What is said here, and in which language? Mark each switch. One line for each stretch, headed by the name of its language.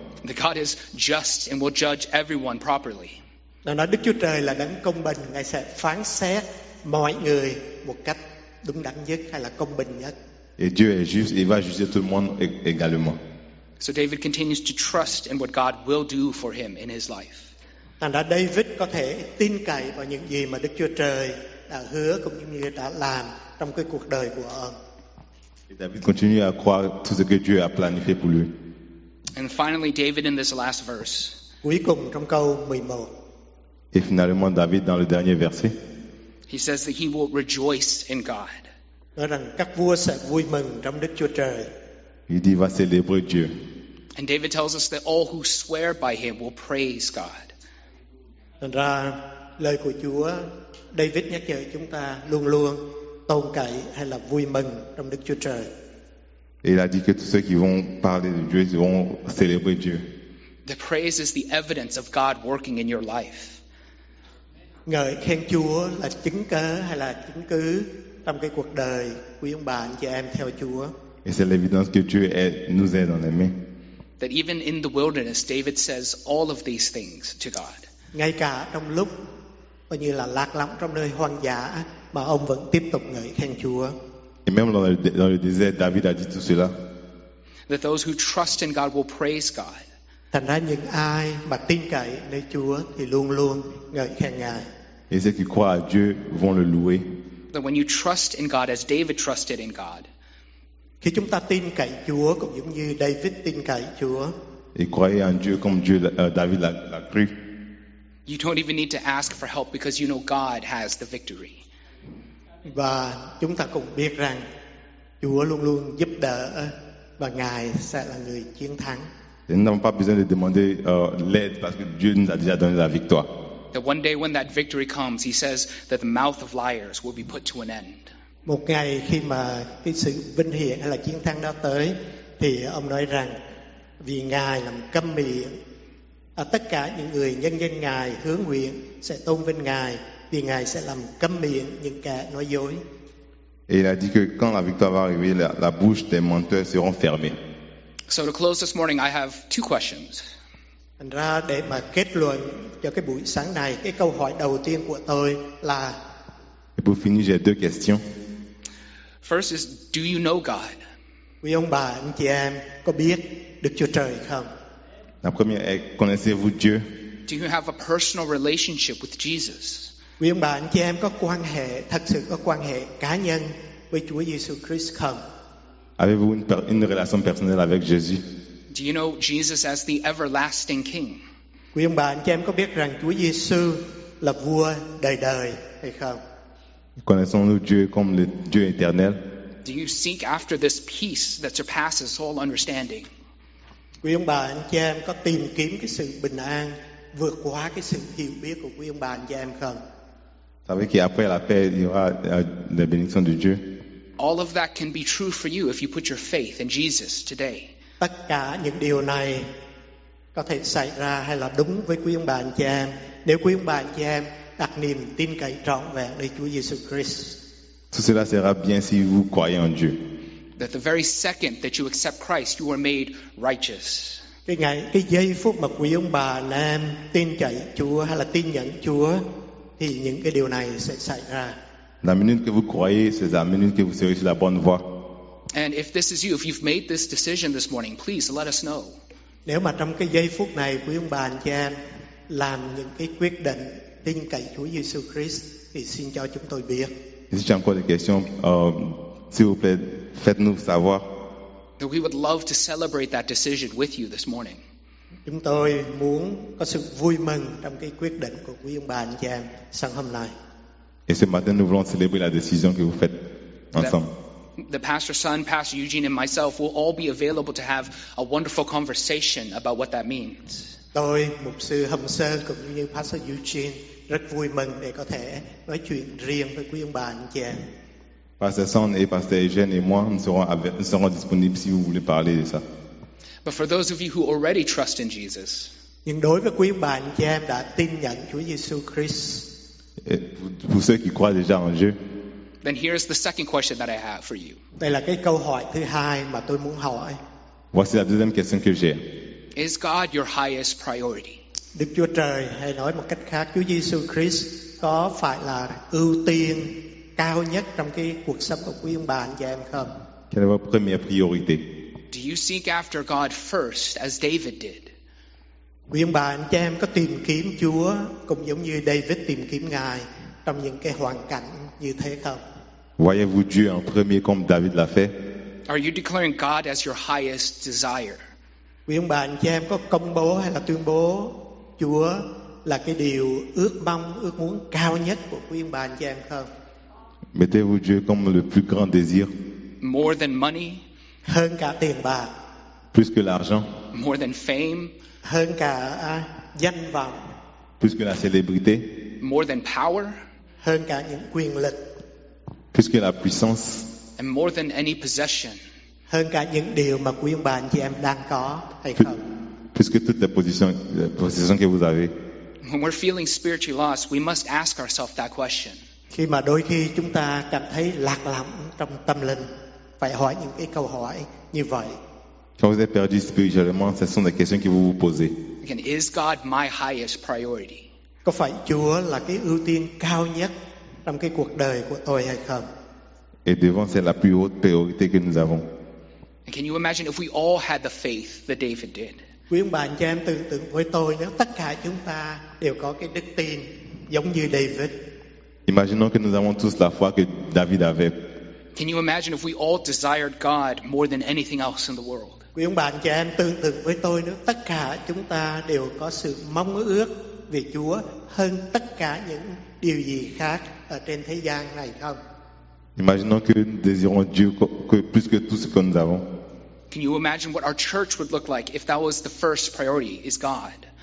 English: The God is just and will judge everyone properly.
Vietnamese: Nó nói Đức Chúa Trời là đấng công bình, Ngài sẽ phán xét mọi người một cách đúng đắn nhất hay là công bình nhất.
French: Et Dieu est juste, il va juger tout le monde également.
English: So David continues to trust in what God will do for him in his life.
Vietnamese: Thành ra David có thể tin cậy vào những gì mà Đức Chúa Trời đã hứa cũng như đã làm trong cái cuộc đời của ông.
French: Et David continue à croire tout ce que Dieu a planifié pour lui.
English: And finally, David in this last verse.
Vietnamese: Cuối cùng trong câu 11.
French: Et finalement, David dans le dernier verset.
English: He says that he will rejoice in God.
Vietnamese: Nói rằng các vua sẽ vui mừng trong Đức Chúa Trời.
French: Il dit va célébrer Dieu.
English: And David tells us that all who swear by him will praise God.
Vietnamese: Thành ra lời của Chúa, David nhắc nhở chúng ta luôn luôn tôn cậy hay là vui mừng trong Đức Chúa Trời.
French: Et il a dit que tous ceux qui vont parler de Dieu, ils vont célébrer Dieu.
English: The praise is the evidence of God working in your life.
Vietnamese: Ngợi khen Chúa là chứng cớ hay là chứng cứ trong cái cuộc đời của ông bà anh chị em theo Chúa.
French: Et c'est l'évidence que Dieu est, nous aide dans les mains.
English: That even in the wilderness, David says all of these things to God.
Vietnamese: Ngay cả trong lúc coi như là lạc lõng trong nơi hoang dã mà ông vẫn tiếp tục ngợi khen Chúa.
French: Et même dans le désert, David a dit tout cela.
English: That those who trust in God will praise God.
Vietnamese: Thành ra những ai mà tin cậy nơi Chúa thì luôn luôn ngợi khen Ngài.
French: Et ceux qui croient à Dieu vont le louer.
English: That when you trust in God as David trusted in God.
Vietnamese: Khi chúng ta tin cậy Chúa cũng giống như David tin cậy Chúa.
French: Et croyez en Dieu comme Dieu David l'a cru.
English: You don't even need to ask for help because you know God has the victory.
Vietnamese: Và chúng ta cũng biết rằng Chúa luôn luôn giúp đỡ và Ngài sẽ là người chiến thắng.
French: Et nous n'avons pas besoin de demander l'aide parce que Dieu nous a déjà donné la victoire.
English: That one day when that victory comes, he says that the mouth of liars will be put to an end.
Vietnamese: Một ngày khi mà cái sự vinh hiển hay là chiến thắng đó tới, thì ông nói rằng vì Ngài làm câm miệng, tất cả những người nhân dân Ngài hứa nguyện sẽ tôn vinh Ngài, vì Ngài sẽ làm câm miệng những kẻ nói dối.
French: Et il a dit que quand la victoire va arriver, la bouche des menteurs seront fermée.
English: So to close this morning, I have two questions.
Vietnamese: Thành ra để mà kết luận cho cái buổi sáng này, cái câu hỏi đầu tiên của tôi là.
French: Et pour finir, j'ai deux questions.
English: First is, do you know God?
Vietnamese: Quý ông bà, anh chị em, có biết Đức Chúa Trời không?
French: La première est, connaissez-vous Dieu?
English: Do you have a personal relationship with Jesus?
Vietnamese: Quý ông bà, anh chị em, có quan hệ, thật sự có quan hệ cá nhân với Chúa Giêsu Christ không?
French: Avez-vous une relation personnelle avec Jésus?
English: Do you know Jesus as the everlasting King?
Vietnamese: Quý ông bà, anh chị em, có biết rằng Chúa Giêsu là vua đời đời hay không?
French: Connaissons-nous Dieu comme le Dieu éternel?
English: Do you seek after this peace that surpasses all understanding?
Vietnamese: Quý ông bà anh chị em có tìm kiếm cái sự bình an vượt quá cái sự hiểu biết của quý ông bà anh chị em không?
French: Savez qu'après la paix il y aura la bénédiction de Dieu.
English: All of that can be true for you if you put your faith in Jesus today.
Vietnamese: Tất cả những điều này có thể xảy ra hay là đúng với quý ông bà anh chị em nếu quý ông bà anh chị em đặt niềm tin cậy trọn vẹn nơi Chúa Giêsu Christ.
French: Tout cela sera bien si vous croyez en Dieu.
English: That the very second that you accept Christ, you are made righteous.
Vietnamese: Cái ngày, cái giây phút mà quý ông bà anh em tin cậy Chúa hay là tin nhận Chúa, thì những cái điều này sẽ xảy ra.
French: La minute que vous croyez, c'est la minute que vous serez sur la bonne voie.
English: And if this is you, if you've made this decision this morning, please let us know.
Vietnamese: Nếu mà trong cái giây phút này quý ông bà anh chị em làm những cái quyết định tin cậy Chúa Giêsu Christ thì xin cho chúng tôi biết.
French: Si j'ai encore des questions, s'il vous plaît, faites-nous savoir.
English: We would love to celebrate that decision with you this morning.
Vietnamese: Chúng tôi muốn có sự vui mừng trong cái quyết định của quý ông bà anh chị em sáng hôm nay.
French: Et ce matin, nous voulons célébrer la décision que vous faites ensemble.
English: The pastor's son, Pastor Eugene, and myself will all be available to have a wonderful conversation about what that means.
Vietnamese: Tôi, mục sư Hồng Sơn cũng như Pastor Eugene rất vui mừng để có thể nói chuyện riêng với quý ông bà anh chị em.
French: Pastor Son et Pastor Eugene et moi nous serons disponibles si vous voulez parler de ça.
English: But for those of you who already trust in Jesus.
Vietnamese: Nhưng đối với quý ông bà anh chị em đã tin nhận Chúa Giêsu Christ.
French: Pour ceux qui croient déjà en Dieu.
English: Then here's the second question that I have for you.
Vietnamese: Đây là cái câu hỏi thứ hai mà tôi muốn hỏi.
French: Voici la deuxième question que j'ai.
English: Is God your highest priority?
Vietnamese: Đức Chúa Trời hay nói một cách khác, Chúa Giêsu Christ có phải là ưu tiên cao nhất trong cái cuộc sống của quý ông bà anh chị em không?
French: Quelle est votre première priorité?
English: Do you seek after God first as David did?
Vietnamese: Quý ông bà anh chị em có tìm kiếm Chúa cũng giống như David tìm kiếm Ngài trong những cái hoàn cảnh như thế không?
French: Voyez-vous Dieu en premier comme David l'a fait?
English: Are you declaring God as your highest desire?
Vietnamese: Quý ông bà anh chị em có công bố hay là tuyên bố Chúa là cái điều ước mong, ước muốn cao nhất của quý ông bà anh chị em không?
French: Mettez-vous Dieu comme le plus grand désir.
English: More than money.
Vietnamese: Hơn cả tiền bạc.
French: Plus que l'argent.
English: More than fame.
Vietnamese: Hơn cả danh vọng.
French: Plus que la célébrité.
English: More than power.
Vietnamese: Hơn cả những quyền lực.
French: Plus que la puissance.
English: And more than any possession.
Vietnamese: Hơn cả những điều mà quý ông bà anh chị em đang có hay không?
French: Plus que toutes les possessions que vous avez.
English: When we're feeling spiritually lost, we must ask ourselves that question.
Vietnamese: Khi mà đôi khi chúng ta cảm thấy lạc lõng trong tâm linh, phải hỏi những cái câu hỏi như vậy.
French: Quand vous êtes perdu spirituellement, ce sont des questions que vous vous posez.
English: Again, is God my highest priority?
Vietnamese: Có phải Chúa là cái ưu tiên cao nhất trong cái cuộc đời của tôi hay không?
French: Et devant, c'est la plus haute priorité que nous avons.
English: And can you imagine if we all had the faith that David did?
Vietnamese: Quý ông bà anh chị em tưởng tượng với tôi, nếu tất cả chúng ta đều có cái đức tin giống như David.
French: Imaginons que nous avons tous la foi que David avait.
English: Can you imagine if we all desired God more than anything else in the world?
Vietnamese: Quý ông bà anh chị em tưởng tượng với tôi, nếu tất cả chúng ta đều có sự mong ước về Chúa hơn tất cả những điều gì khác ở trên thế gian này không?
French: Imaginons que nous désirons Dieu plus que tout ce que nous avons.
English: Can you imagine what our church would look like if that was the first priority, is God?